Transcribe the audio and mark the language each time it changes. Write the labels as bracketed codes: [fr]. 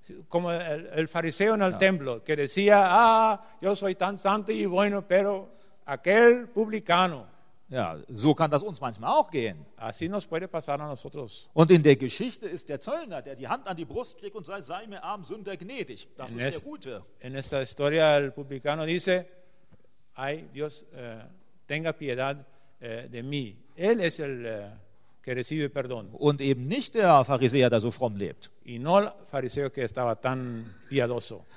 [es] Como el fariseo en el templo, que decía, ah, yo soy tan santo y bueno, pero aquel publicano. [de] Ja, so kann das uns manchmal auch gehen. [es] Así nos puede pasar a nosotros. [de] Und in der Geschichte ist der Zöllner, der die Hand an die Brust kriegt und sei mir arm Sünder gnädig. Das ist der Gute. [es] En esta historia el publicano dice, ay Dios, tenga piedad de mí. Él es el que recibe perdón. [de] Und eben nicht der Pharisäer, der so fromm lebt. [es] Y no el fariseo que estaba tan piadoso.